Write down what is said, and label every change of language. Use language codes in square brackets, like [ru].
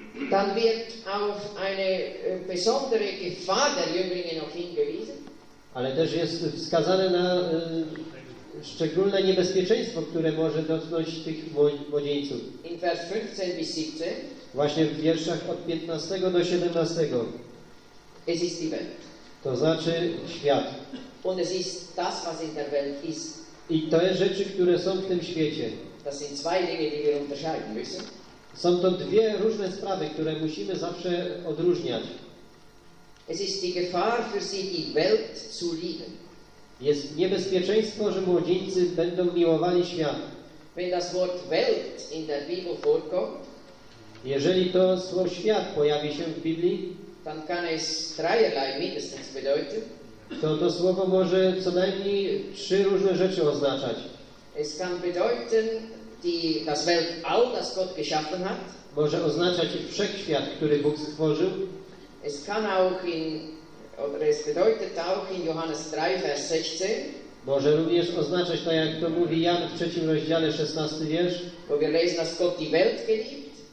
[de] Dann wird auf eine besondere Gefahr der Jünglinge noch hingewiesen. [pl] Ale też jest wskazane na szczególne niebezpieczeństwo, które może dotknąć tych młodzieńców. [de] In Vers 15 bis 17. [pl] Właśnie w wierszach od 15 do 17. [de] Es ist die Welt. [pl] To znaczy świat. [de] Und es ist das, was in der Welt ist. [pl] I to jest rzeczy, które są w tym świecie. [de] Das sind zwei Dinge, die wir unterscheiden müssen. [pl] Są to dwie różne sprawy, które musimy zawsze odróżniać. [de] Es ist die Gefahr für sie, die Welt zu lieben. [pl] Jest niebezpieczeństwo, że młodzieńcy będą miłowali świat. [de] Wenn das Wort Welt in der Bibel vorkommt, [pl] jeżeli to słowo świat pojawi się w Biblii, [de] dann kann es dreierlei mindestens bedeuten. [pl] To słowo może co najmniej trzy różne rzeczy oznaczać. [de] Es kann bedeuten das Weltall, das Gott geschaffen hat. [pl] Może oznaczać wszechświat, który Bóg stworzył. [de] Es kann auch in, oder es bedeutet auch in Johannes 3, Vers 16. [pl] Może również oznaczać to, jak to mówi Jan w 3 rozdziale, 16 wiersz. [de] Wo wir lesen, dass Gott die Welt geliebt.